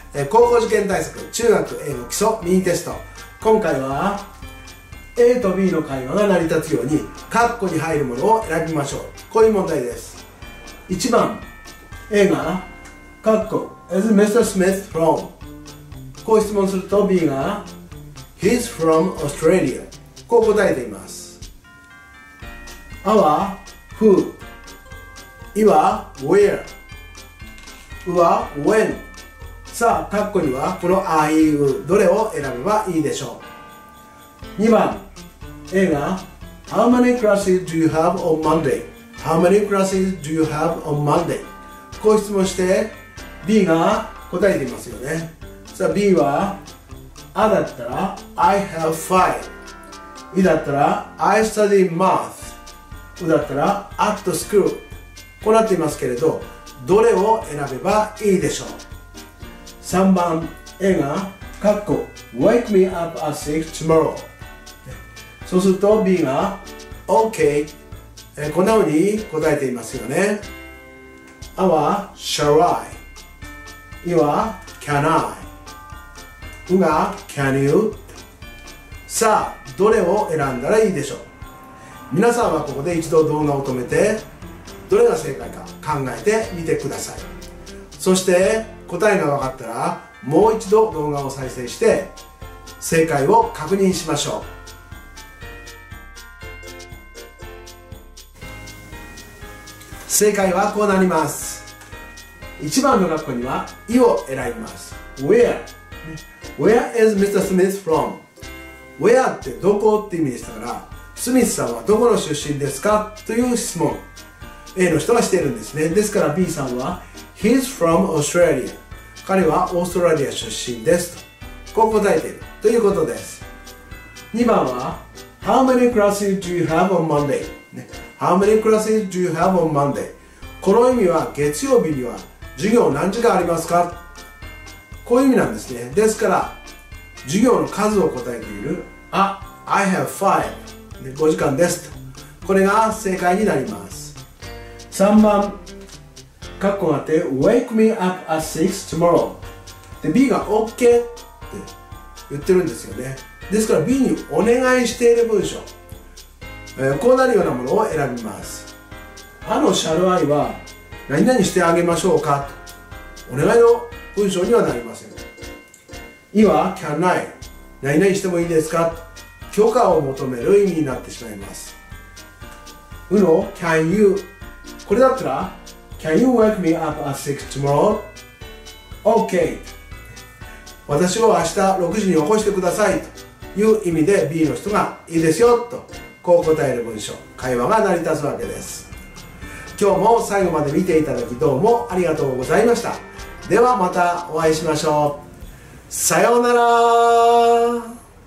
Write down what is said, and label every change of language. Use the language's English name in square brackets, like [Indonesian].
[Japanese] 高校受験対策、中学英語基礎ミニテスト、今回は A と B の会話が成り立つように括弧に入るものを選びましょう。こういう問題です。1番 A が括弧 Is Mr. Smith from、 こう質問すると B が [English] He's from Australia、 [Japanese] こう答えています。 A は Who、いは where、うは when。さあ、括弧にはこの I、U、どれを選べばいいでしょう。 [English] 2番 A が How many classes do you have on Monday? How many classes do you have on Monday? [Japanese] こう質問して B が答えていますよね。さあ、 B は A だったら [English] I have 5、 [Japanese] E だったら [English] I study math、 [Japanese] U だったら [English] at school [Japanese] こうなっていますけれど、どれを選べばいいでしょう。 3番 A が括弧 [English] Wake me up at 6 tomorrow、 [Japanese] そうすると B が OK、 こんなふうに答えていますよね。 A は Shall I、 E は Can I、 U が Can you。さあ、どれを選んだらいいでしょう。皆さんはここで一度動画を止めて、どれが正解か考えてみてください。そして答えが分かったら、もう一度動画を再生して正解を確認しましょう。正解はこうなります。1番の学校には E を選びます。 [English] Where、 Where is Mr. Smith from? [Japanese] Where ってどこって意味でしたから、スミスさんはどこの出身ですかという質問A の人がしているんですね。ですから B さんは [English] He's from Australia、 [Japanese] 彼はオーストラリア出身ですと、こう答えているということです。 [English] 2番は How many classes do you have on Monday? How many classes do you have on Monday? [Japanese] この意味は、月曜日には授業何時間ありますか、こういう意味なんですね。ですから授業の数を答えている A、 [English] I have 5、 [Japanese] 5時間ですと、これが正解になります。 3番括弧があって [English] Wake me up at 6 tomorrow [Japanese] で、 B が OK って言ってるんですよね。ですから B にお願いしている文章、こうなるようなものを選びます。 A の Shall I は何々してあげましょうかとお願いの文章にはなりません。 E は Can I、 何々してもいいですか、許可を求める意味になってしまいます。 [English] U の Can you、これだったら Can you wake me up at 6 tomorrow? OK、 [Japanese] 私を明日6時に起こしてくださいという意味で B の人がいいですよと、こう答える文章、会話が成り立つわけです。今日も最後まで見ていただき、どうもありがとうございました。ではまたお会いしましょう。さようなら。